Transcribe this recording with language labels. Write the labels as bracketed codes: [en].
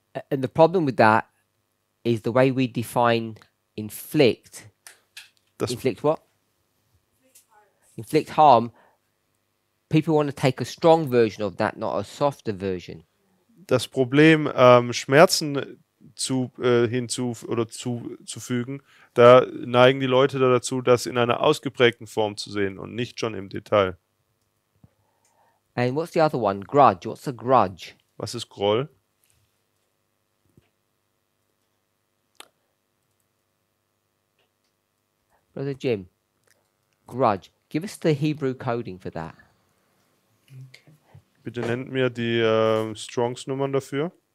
[en] And the problem with that is the way we define inflict. [de] Das [en] inflict what? Inflict harm. People want to take a strong version of that, not a softer version. [de] Das Problem, Schmerzen hinzuzufügen, da neigen die Leute da dazu, das in einer ausgeprägten Form zu sehen und nicht schon im Detail. [en] And what's the other one? Grudge. What's a grudge? [de] Was ist Groll? [en] Brother Jim, grudge. Give us the Hebrew coding for that. [de] Bitte nennt mir die Strongs Nummern dafür.